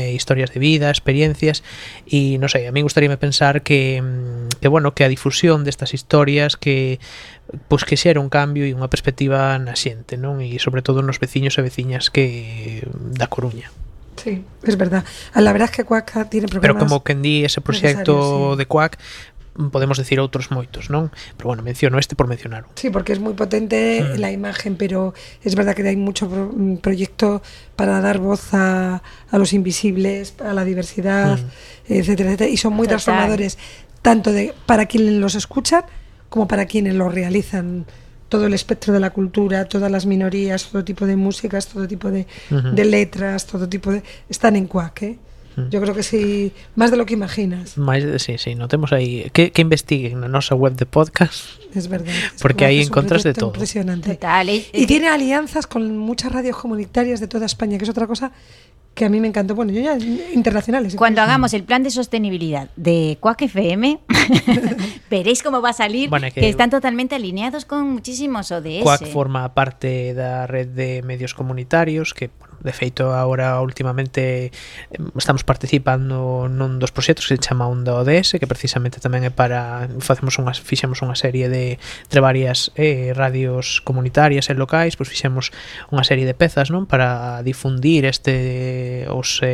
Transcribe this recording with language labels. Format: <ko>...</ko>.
<gl>Historias de vida, experiencias, e non sei, a mí gustaríame pensar que bueno, que a difusión destas historias que pois que xera un cambio e unha perspectiva na xente, non? E sobre todo nos veciños e veciñas que da Coruña.</gl> <es>Sí, es verdad. La verdad es que CUAC tiene problemas.</es> <gl>Pero como quen di ese proxecto, sí, de CUAC,</gl> <es>podemos decir</es> <gl>outros moitos, non?</gl> <es>Pero bueno, menciono este por mencionar. Sí, porque es</es> <gl>moi potente</gl> <es>la imagen, pero es verdad que</es> <gl>hai moito proxecto</gl> <es>para dar voz a los invisibles, a la diversidad, etcétera, etcétera, y son moi transformadores, tanto para quien los escuchan como para quienes los realizan. Todo el espectro de la cultura, todas las minorías, todo tipo de músicas, todo tipo de letras, todo tipo de... Están en CUAC, ¿eh? Yo creo que sí, más de lo que imaginas. Sí, sí, notemos ahí. Que investiguen en nuestra web de podcast. Es verdad. Porque ahí encontras de todo. Impresionante. Total. Y tiene alianzas con muchas radios comunitarias de toda España, que es otra cosa que a mí me encantó. Bueno, yo ya, internacionales. Cuando hagamos el plan de sostenibilidad de CUAC FM, veréis cómo va a salir, bueno, que están totalmente alineados con muchísimos ODS.</es> <gl>CUAC forma parte da red de medios comunitarios que... De feito, agora últimamente estamos participando nun dos proxectos que se chama Onda ODS, que precisamente tamén é para fixemos unha serie de varias radios comunitarias e locais, pois fixemos unha serie de pezas, non, para difundir este como</gl>